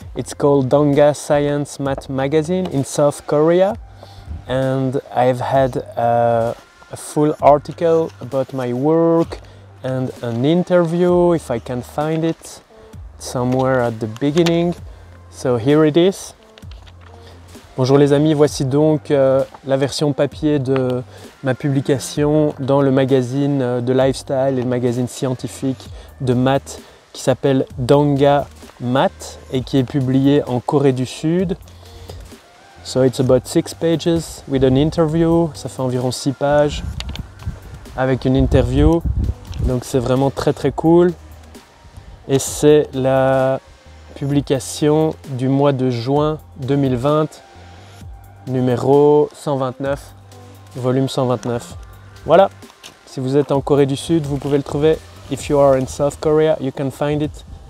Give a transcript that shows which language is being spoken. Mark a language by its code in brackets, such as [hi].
[en] It's called Donga Science Math Magazine in South Korea. And I've had a full article about my work and an interview, if I can find it somewhere at the beginning. So here it is. [fr] Bonjour les amis, voici donc la version papier de ma publication dans le magazine de lifestyle et le magazine scientifique de maths qui s'appelle Donga Math et qui est publié en Corée du Sud. [en] So it's about 6 pages with an interview, [fr] ça fait environ 6 pages avec une interview. Donc c'est vraiment très très cool et c'est la publication du mois de juin 2020. Numéro 129, volume 129. Voilà. Si vous êtes en Corée du Sud, vous pouvez le trouver. [en] If you are in South Korea, you can find it.